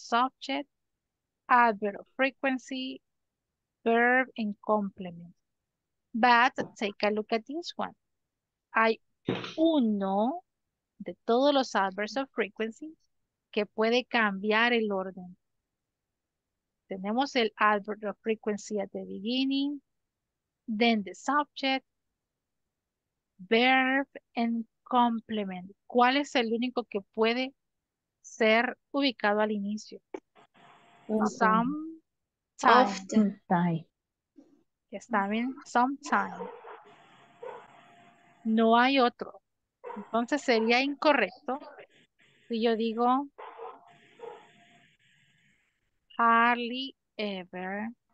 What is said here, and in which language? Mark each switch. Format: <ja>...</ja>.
<en>Subject, adverb of frequency, verb, and complement. But take a look at this one.</en> <es>Hay uno de todos los adverbs of frequency que puede cambiar el orden. Tenemos el</es> <en>adverb of frequency at the beginning, then the subject, verb, and complement.</en> <es>¿Cuál es el único que puede ser ubicado al inicio?</es> <en>Sometime.</en> <es>Está bien. Sometime. No hay otro. Entonces sería incorrecto si yo digo hardly ever.</es>